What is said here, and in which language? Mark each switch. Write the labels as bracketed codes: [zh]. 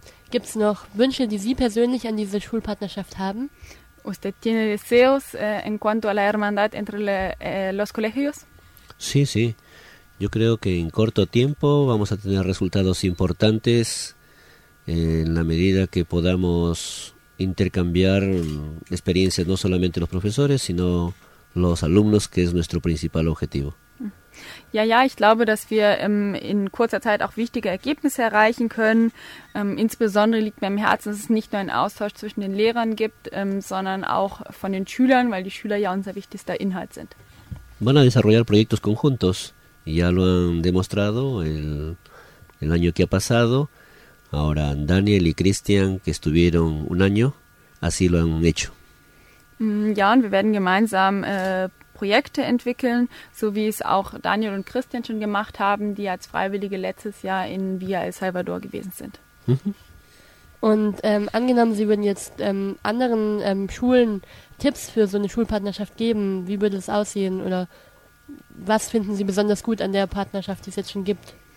[de] Gibt es noch Wünsche, die Sie persönlich an diese Schulpartnerschaft haben? [es] ¿Usted tiene deseos en cuanto a la hermandad entre los colegios? Sí, sí. Yo creo que en corto tiempo vamos a tener resultados importantes en la medida que podamos intercambiar experiencias no solamente los profesores, sino los alumnos, que es nuestro principal objetivo. [de] Ja, ja, ich glaube, dass wir in kurzer Zeit auch wichtige Ergebnisse erreichen können. Insbesondere liegt mir am Herzen, dass es nicht nur einen Austausch zwischen den Lehrern gibt, sondern auch von den Schülern, weil die Schüler ja unser wichtigster Inhalt sind. [es] Van a desarrollar proyectos conjuntos. Ya lo han demostrado el año que ha pasado. Ahora Daniel y Christian, que estuvieron un año, así lo han hecho. [de] Ja, und wir werden gemeinsam Projekte entwickeln, so wie es auch Daniel und Christian schon gemacht haben, die als Freiwillige letztes Jahr in Villa El Salvador gewesen sind. Und angenommen, Sie würden jetzt anderen Schulen Tipps für so eine Schulpartnerschaft geben, wie würde es aussehen oder was finden Sie besonders gut an der Partnerschaft, die es jetzt schon gibt?